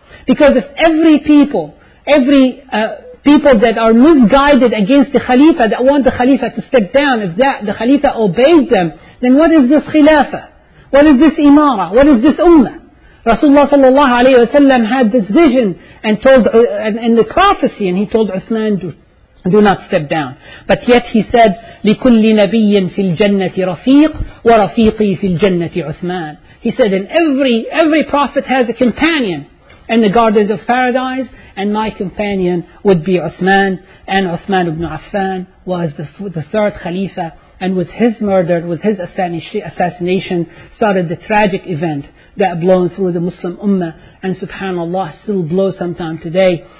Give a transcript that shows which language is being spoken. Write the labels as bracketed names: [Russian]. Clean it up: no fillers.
[English] Because if every people that are misguided against the Khalifa, that want the Khalifa to step down, if that the Khalifa obeyed them, then what is this Khilafa? What is this Imara? What is this Ummah? Rasulullah sallallahu alayhi wa sallam had this vision and told in the prophecy, and he told Uthman, do not step down. But yet he said, [Arabic] لِكُلِّ نَبِيٍّ فِي الْجَنَّةِ رَفِيقٍ وَرَفِيقِي فِي الْجَنَّةِ عُثْمَانٍ. [English] He said, in every prophet has a companion in the gardens of paradise, and my companion would be Uthman. And Uthman ibn Affan was the third Khalifa, and with his murder, with his assassination, started the tragic event that blown through the Muslim Ummah, and subhanAllah, still blow sometime today.